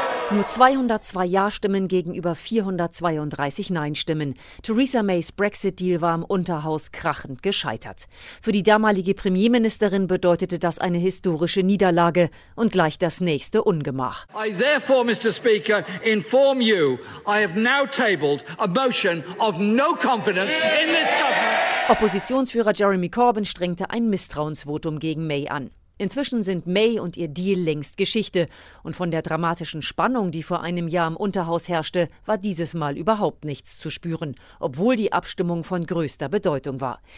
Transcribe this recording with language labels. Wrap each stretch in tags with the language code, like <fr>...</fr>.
<de>Nur 202 Ja-Stimmen gegenüber 432 Nein-Stimmen. Theresa Mays Brexit-Deal war im Unterhaus krachend gescheitert. Für die damalige Premierministerin bedeutete das eine historische Niederlage und gleich das nächste Ungemach.</de> <en>I therefore, Mr. Speaker, inform you, I have now tabled a motion of no confidence in this government.</en> <de>Oppositionsführer Jeremy Corbyn strengte ein Misstrauensvotum gegen May an. Inzwischen sind May und ihr Deal längst Geschichte. Und von der dramatischen Spannung, die vor einem Jahr im Unterhaus herrschte, war dieses Mal überhaupt nichts zu spüren, obwohl die Abstimmung von größter Bedeutung war.</de>